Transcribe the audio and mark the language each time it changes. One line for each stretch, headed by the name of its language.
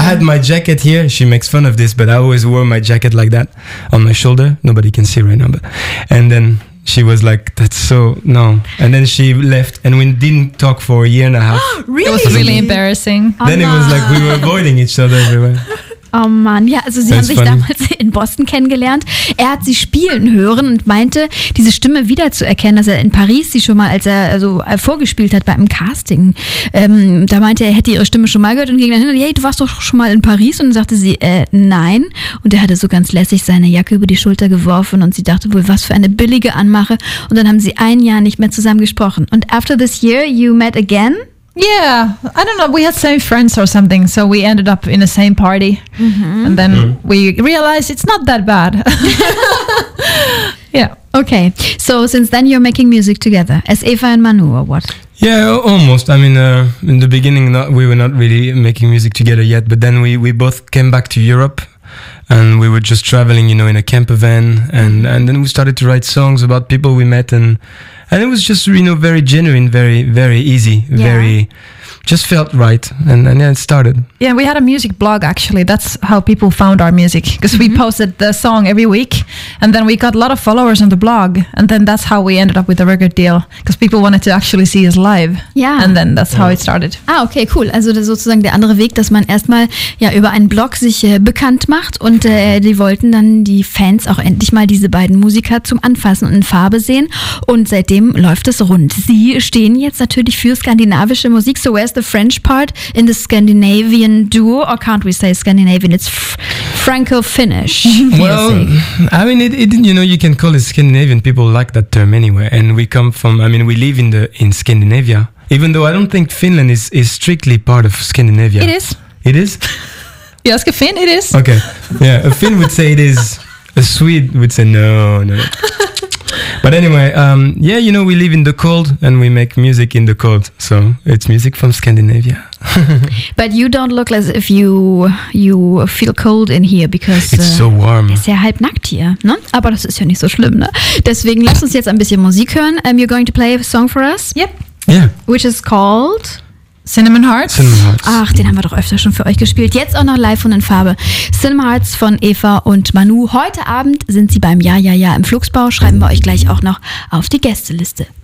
English: had my jacket here. She makes fun of this, but I always wore my jacket like that on my shoulder. Nobody can see right now. But and then she was like, that's so, no. And then she left and we didn't talk for a year and a half. Really? It was really embarrassing. Then it was like we were avoiding each other everywhere.
German: Oh Mann, ja, also sie haben sich damals in Boston kennengelernt. Er hat sie spielen hören und meinte, diese Stimme wiederzuerkennen, dass er in Paris sie schon mal, als er also vorgespielt hat bei einem Casting, da meinte er, hätte ihre Stimme schon mal gehört und ging dann hin und, hey, du warst doch schon mal in Paris und dann sagte sie, nein. Und er hatte so ganz lässig seine Jacke über die Schulter geworfen und sie dachte wohl, was für eine billige Anmache. Und dann haben sie ein Jahr nicht mehr zusammen gesprochen.
English: Und after this year, you met again? Yeah, I don't know, we had same friends or something, so we ended up in the same party, mm-hmm. and then mm-hmm. we realized it's not that bad. Yeah. Okay, so since then you're making music together, as Eva and Manu, or what? Yeah, almost. I mean, in the beginning we were not really making music together yet, but then we both came back to Europe, and we were just traveling, you know, in a camper van, and then we started to write songs about people we met, And it was just, you know, very genuine, very, very easy, yeah. very, just felt right. And then it started. Yeah, we had a music blog, actually. That's how people found our music, because mm-hmm. we posted the song every week. And then we got a lot of followers on the blog. And then that's how we ended up with the record deal, because people wanted to actually see us live. Yeah. And then that's how it started. Ah, okay, cool.
German: Also das ist sozusagen der andere Weg, dass man erstmal ja, über einen Blog sich bekannt macht. Und die wollten dann die Fans auch endlich mal diese beiden Musiker zum Anfassen und in Farbe sehen. Und seitdem läuft es rund. Sie stehen jetzt natürlich für skandinavische Musik.
English: So where's the French part in the Scandinavian duo, or can't we say Scandinavian? It's Franco-Finnish. Well, I mean, it, you know, you can call it Scandinavian. People like that term anyway. And we come from, I mean, we live in Scandinavia, even though I don't think Finland is strictly part of Scandinavia. It is. It is? You ask a Finn, it is. Okay. Yeah, a Finn would say it is. A Swede would say no, no. But anyway, yeah, you know, we live in the cold and we make music in the cold. So it's music from Scandinavia. But you don't look as if you feel cold in here because it's so warm.
German: Ist ja halb nackt hier, ne? Aber das ist ja nicht so schlimm, ne? Deswegen lass uns jetzt ein bisschen Musik hören.
English: You're going to play a song for us? Yep. Yeah. Which is called Cinnamon Hearts. Cinnamon Hearts.
German: Ach, den haben wir doch öfter schon für euch gespielt. Jetzt auch noch live und in Farbe. Cinnamon Hearts von Eva und Manu. Heute Abend sind sie beim Ja, Ja, Ja im Fluxbau. Schreiben wir euch gleich auch noch auf die Gästeliste.